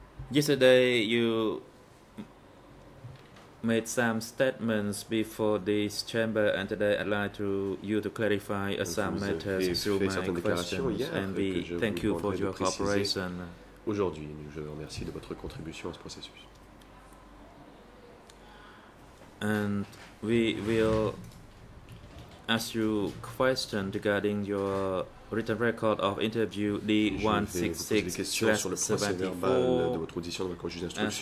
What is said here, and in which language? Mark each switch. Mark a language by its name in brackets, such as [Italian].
[English] Yesterday, you made some statements before this chamber, and today I'd like to you to clarify some matters through my questions, and we thank you for your cooperation. [French] Aujourd'hui, je vous remercie de votre contribution à ce processus. [English] And we will ask you questions regarding your written record of interview D166/74